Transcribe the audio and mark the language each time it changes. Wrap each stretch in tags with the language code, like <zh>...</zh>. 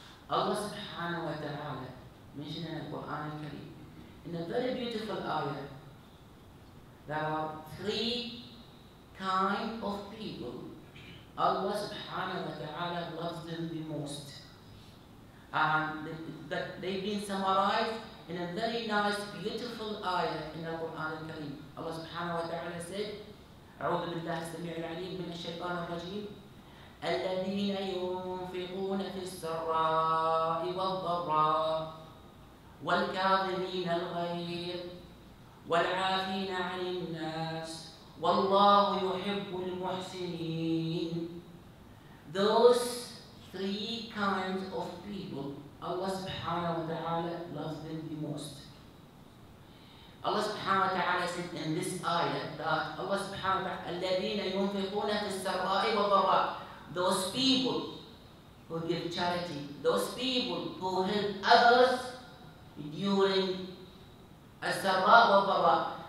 <en>Allah subhanahu wa ta'ala mentioned in the Quran al-Kareem, in a very beautiful ayah, there are three kind of people Allah subhanahu wa ta'ala loves them the most. And they've been summarized in a very nice, beautiful ayah in the Quran al-Kareem.</en> <ar>Allah subhanahu wa ta'ala said, أعوذ بالله السميع العليم من الشيطان الرجيم. الذين ينفقون في السراء والضراء والكاظمين الغيظ والعافين عن الناس والله يحب المحسنين.</ar> <en>Those three kinds of people Allah subhanahu wa ta'ala loves them the most. Allah subhanahu wa ta'ala said in this ayah that Allah subhanahu wa ta'ala,</en> <ar>الذين ينفقون في السراء والضراء,</ar> <en>those people who give charity, those people who help others during as-sarra wa barra.</en>